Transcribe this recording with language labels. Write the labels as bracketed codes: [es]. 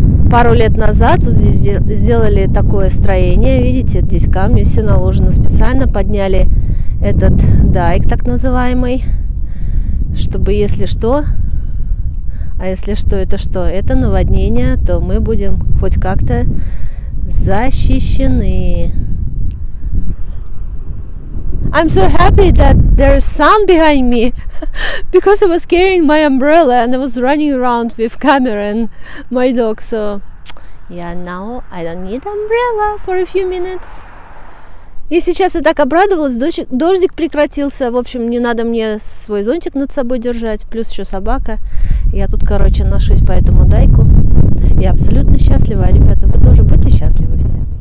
[ru] Пару лет назад вот здесь сделали такое строение, видите, здесь камни все наложено специально, подняли этот дайк так называемый, чтобы если что... А если что, это что? Это наводнение, то мы будем хоть как-то... защищены. [en] I'm so happy that there is sun behind me because I was carrying my umbrella and I was running around with camera and my dog, so yeah, now I don't need umbrella for a few minutes. [ru] И сейчас я так обрадовалась, дождик прекратился, в общем, не надо мне свой зонтик над собой держать, плюс еще собака. Я тут, короче, ношусь по этому дайку. Я абсолютно счастлива, ребята, вы тоже будьте счастливы все.